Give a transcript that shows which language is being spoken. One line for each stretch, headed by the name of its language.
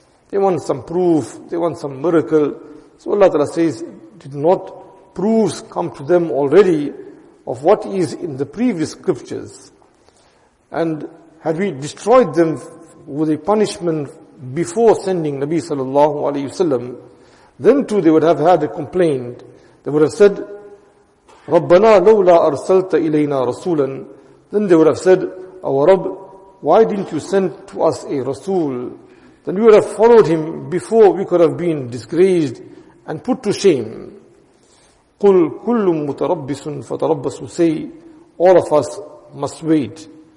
English: They want some proof, they want some miracle. So Allah Ta'ala says, did not proofs come to them already of what is in the previous scriptures? And had we destroyed them with a punishment before sending Nabi sallallahu alayhi wasallam, then too they would have had a complaint. They would have said,
Arabic: رَبَّنَا لَوْلَا أَرْسَلْتَ إِلَيْنَا رَسُولًا.
English: Then they would have said, our Rabb, why didn't you send to us a Rasul? Then we would have followed him before we could have been disgraced and put to shame.
Arabic: قُلْ كُلُّ مُتَرَبِّسٌ فَتَرَبَّسُ.
English: Say, all of us must wait.